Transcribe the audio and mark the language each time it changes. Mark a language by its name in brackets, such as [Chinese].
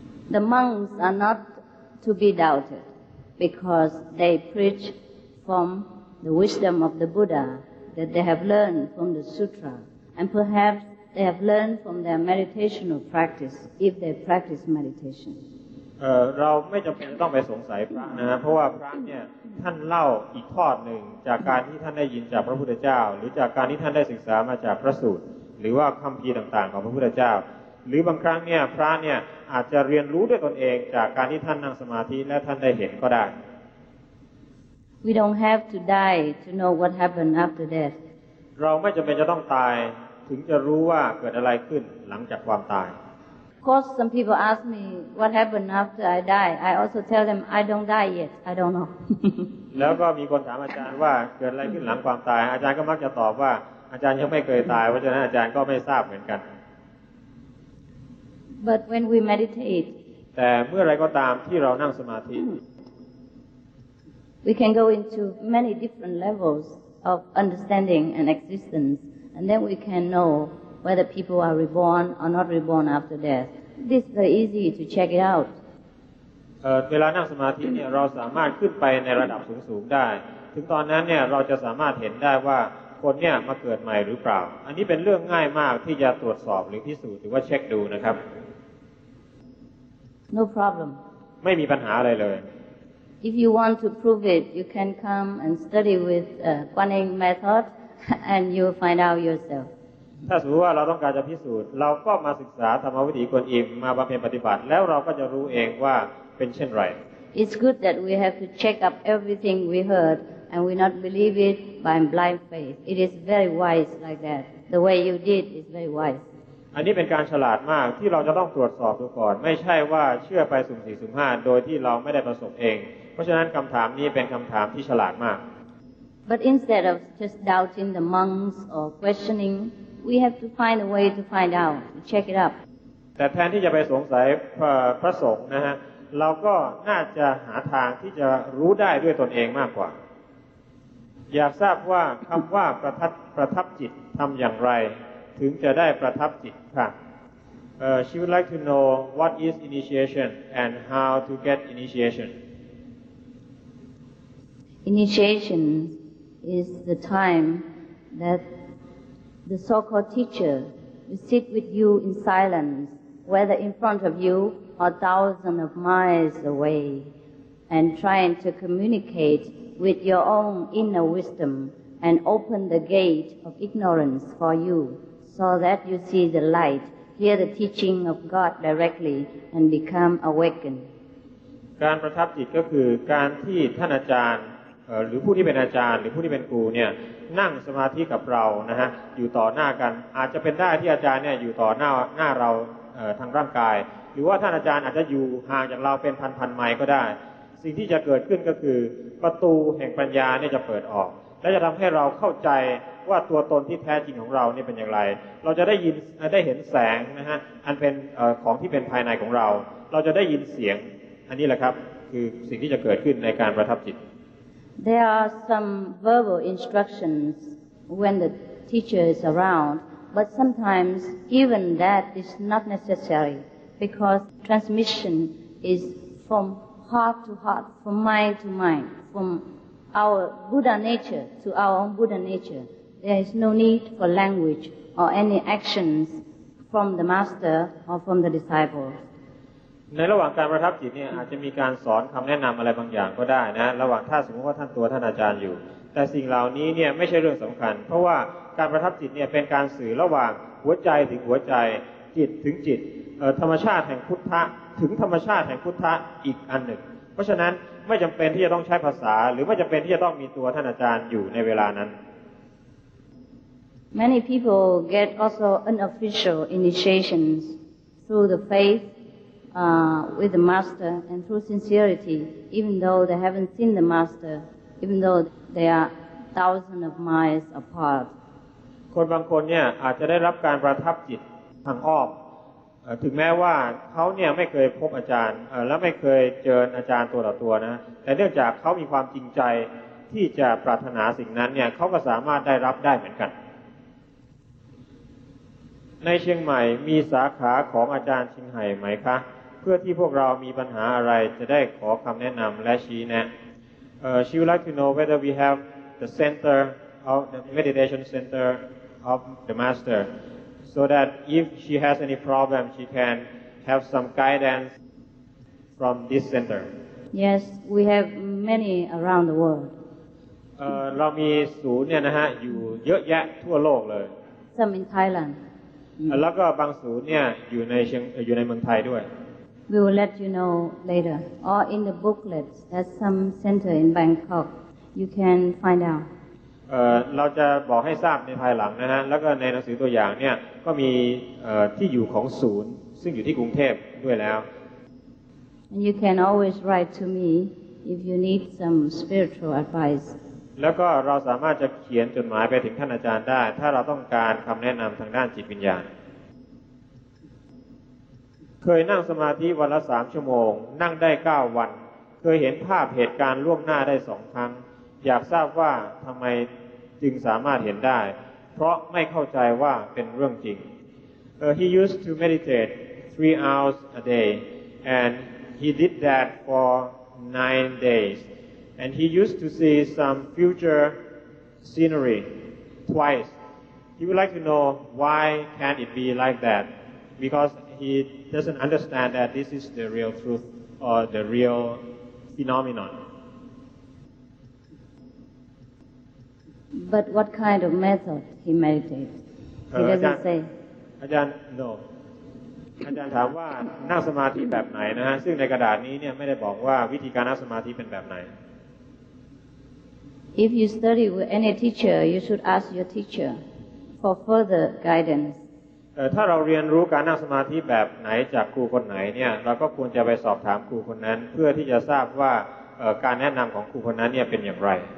[English] The monks are not to be doubted because they preach from the wisdom of the Buddha that they have learned from the sutra. And perhaps they have learned from their meditational practice if they practice meditation. [Thai] เราไม่จำเป็นต้องไปสงสัยพระนะฮะเพราะว่าพระเนี่ยท่านเล่าอีกทอดหนึ่งจากการที่ท่านได้ยินจากพระพุทธเจ้าหรือจากการที่ท่านได้ศึกษามาจากพระสูตรหรือว่าคัมภีร์ต่างๆของพระพุทธเจ้าหรือบางครั้งเนี่ยพระเนี่ยอาจจะเรียนรู้ด้วยตนเองจากการที่ท่านนั่งสมาธิและท่านได้เห็นก็ได้ [English] We don't have to die to know what happened after death [Thai] เราไม่จำเป็นจะต้องตายถึงจะรู้ว่าเกิดอะไรขึ้นหลังจากความตาย [English] Of course, some people ask me what happened after I die. I also tell them I don't die yet. I don't know. [Thai] แล้วก็มีคนถามอาจารย์ว่าเกิดอะไรขึ้นหลังความตายอาจารย์ก็มักจะตอบว่าอาจารย์ยังไม่เคยตายเพราะฉะนั้นอาจารย์ก็ไม่ทราบเหมือนกัน [English] But when we meditate, [Thai] แต่เมื่อไรก็ตามที่เรานั่งสมาธิ [English] we can go into many different levels of understanding and existence, and then we can know. Whether people are reborn or not reborn after death, this is very easy to check it out. [Thai] เวลานั่งสมาธิเนี่ยเราสามารถขึ้นไปในระดับสูงๆได้ถึงตอนนั้นเนี่ยเราจะสามารถเห็นได้ว่าค คนเนี่ยมาเกิดใหม่หรือเปล่าอันนี้เป็นเรื่องง่ายมากที่จะตรวจสอบหรือพิสูจน์หรือว่าเช็คดูนะครับ [English] No problem [Thai] ไม่มีปัญหาอะไรเลย [English] If you want to prove it you can come and study with Guaning method and you find out yourself [Thai] ถ้าสมมติว่าเราต้องการจะพิสูจน์เราก็มาศึกษาธรรมวิถีกวนอิมมาบำเพ็ญปฏิบัติแล้วเราก็จะรู้เองว่าเป็นเช่นไร [English] It's good that we have to check up everything we heardAnd we not believe it by blind faith. It is very wise like that. The way you did is very wise. [Thai] อันนี้เป็นการฉลาดมากที่เราจะต้องตรวจสอบดูก่อนไม่ใช่ว่าเชื่อไปสุ่มสี่สุ่มห้าโดยที่เราไม่ได้ประสบเองเพราะฉะนั้นคำถามนี้เป็นคำถามที่ฉลาดมาก [English] But instead of just doubting the monks or questioning, we have to find a way to find out, to check it up. [Thai] แต่แทนที่จะไปสงสัยพระสงฆ์นะฮะเราก็น่าจะหาทางที่จะรู้ได้ด้วยตนเองมากกว่าอยากทราบว่าคำว่าประทับจิตทำอย่างไรถึงจะได้ประทับจิตค่ะ [English] She would like to know what is initiation and how to get initiation. Initiation is the time that the so-called teacher will sit with you in silence, whether in front of you or thousands of miles away, and trying to communicate. With your own inner wisdom and open the gate of ignorance for you so that you see the light, hear the teaching of God directly and become awakened. [Thai] การประทับจิตก็คือการที่ท่านอาจารย์หรือผู้ที่เป็นอาจารย์หรือผู้ที่เป็นครูเนี่ยนั่งสมาธิกับเรานะฮะอยู่ต่อหน้ากันอาจจะเป็นได้ที่อาจารย์เนี่ยอยู่ต่อหน้าเรา ทางร่างกายหรือว่าท่านอาจารย์อาจจะอยู่ห่างจากเราเป็นพันๆไมล์ก็ได้สิ่งที่จะเกิดขึ้นก็คือประตูแห่งปัญญาเนี่ยจะเปิดออกและจะทำให้เราเข้าใจว่าตัวตนที่แท้จริงของเราเนี่ยเป็นอย่างไรเราจะได้ยินได้เห็นแสงนะฮะอันเป็นของที่เป็นภายในของเราเราจะได้ยินเสียงอันนี้แหละครับคือสิ่งที่จะเกิดขึ้นในการประทับจิต [English] There are some verbal instructions when the teacher is around but sometimes even that is not necessary because transmission is fromheart to heart, from mind to mind, from our Buddha nature to our own Buddha nature. There is no need for language or any actions from the master or from the disciple. [Thai] ในระหว่างการประทับจิตเนี่ยอาจจะมีการสอนคำแนะนำอะไรบางอย่างก็ได้นะระหว่างถ้าสมมติว่าท่านอาจารย์อยู่แต่สิ่งเหล่านี้เนี่ยไม่ใช่เรื่องสำคัญเพราะว่าการประทับจิตเนี่ยเป็นการสื่อระหว่างหัวใจถึงหัวใจจิตถึงจิตธรรมชาติแห่งพุทธะถึงธรรมชาติแห่งพุทธะอีกอันหนึ่งเพราะฉะนั้นไม่จำเป็นที่จะต้องใช้ภาษาหรือไม่จำเป็นที่จะต้องมีตัวท่านอาจารย์อยู่ในเวลานั้น [English] Many people get also unofficial initiations through the faith with the master and through sincerity even though they haven't seen the master even though they are thousands of miles apart [Thai] คนบางคนเนี่ยอาจจะได้รับการประทับจิตทางอ้อมถึงแม้ว่าเขาเนี่ยไม่เคยพบอาจารย์และไม่เคยเจออาจารย์ตัวต่อตัวนะแต่เนื่องจากเขามีความจริงใจที่จะปรารถนาสิ่งนั้นเนี่ยเขาก็สามารถได้รับได้เหมือนกัน ในเชียงใหม่มีสาขาของอาจารย์ชิงไห่ไหมคะเพื่อที่พวกเรามีปัญหาอะไรจะได้ขอคำแนะนำและชี้แนะ [English] She would like to know whether we have the center of the meditation center of the master. So that if she has any problem, she can have some guidance from this center. Yes, we have many around the world. [Thai] เรามีศูนย์เนี่ยนะฮะอยู่เยอะแยะทั่วโลกเลย [English] Some in Thailand. [Thai] แล้วก็บางศูนย์เนี่ยอยู่ในเมืองไทยด้วย [English] We will let you know later. Or in the booklets, there's some center in Bangkok. You can find out. [Thai] เราจะบอกให้ทราบในภายหลังนะฮะแล้วก็ในหนังสือตัวอย่างเนี่ยก็มีที่อยู่ของศูนย์ซึ่งอยู่ที่กรุงเทพด้วยแล้ว [English] And you can always write to me if you need some spiritual advice [Thai] แล้วก็เราสามารถจะเขียนจดหมายไปถึงท่านอาจารย์ได้ถ้าเราต้องการคำแนะนำทางด้านจิตวิญญาณ เคยนั่งสมาธิวันละ3ชั่วโมงนั่งได้9วันเคยเห็นภาพเหตุการณ์ล่วงหน้าได้2ครั้งอยากทราบว่าทำไมจึงสามารถเห็นได้เพราะไม่เข้าใจว่าเป็นเรื่องจริง [English] He used to meditate 3 hours a day and he did that for 9 days and he used to see some future scenery twice. He would like to know why can't it be like that? Because he doesn't understand that this is the real truth or the real phenomenon. But what kind of method he meditates? He doesn't Ajahn, say. Ajahn, no. [Thai] Ajahn ถามว่านั่งสมาธิแบบไหนนะฮะซึ่งในกระดาษนี้เนี่ยไม่ได้บอกว่าวิธีการนั่งสมาธิเป็นแบบไหน [English] If you study with any teacher, you should ask your teacher for further guidance. [Thai] ถ้าเราเรียนรู้การนั่งสมาธิแบบไหนจากครูคนไหนเนี่ยเราก็ควรจะไปสอบถามครูคนนั้นเพื่อที่จะทราบว่าการแนะนำของครูคนนั้นเนี่ยเป็นอย่างไร